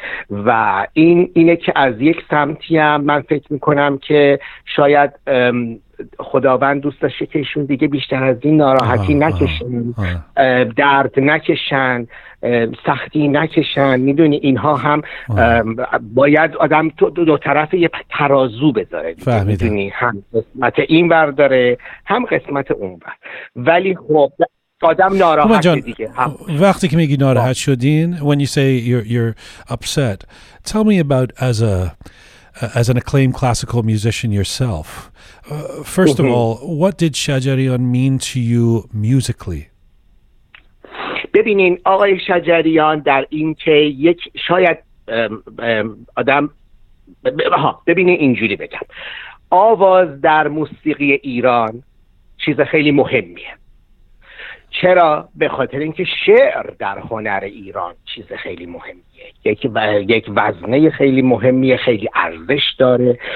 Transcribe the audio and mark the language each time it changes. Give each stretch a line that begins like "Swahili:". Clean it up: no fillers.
Persian: و این اینه که از یک سمتی هم من فکر میکنم که شاید خداوند دوست داشته که ایشون دیگه بیشتر از این ناراحتی نکشن، درد نکشن، سختی نکشن، میدونی. اینها هم باید آدم دو طرف یه ترازو بذاره، میدونی، هم قسمت این ور داره هم قسمت اون ور. ولی خب آدم ناراحت جان، دیگه وقتی که میگی ناراحت شدین،
English: when you say you're upset, tell me about as an acclaimed classical musician yourself, first of all, what did Shajarian mean to you musically?
Persian: ببینین آقای شجریان، در این که یک شاید آدم ببینین اینجوری بگم، آواز در موسیقی ایران چیز خیلی مهمیه. چرا؟ به خاطر اینکه شعر در هنر ایران چیز خیلی مهمیه، یک وزنه خیلی مهمیه، خیلی ارزش داره.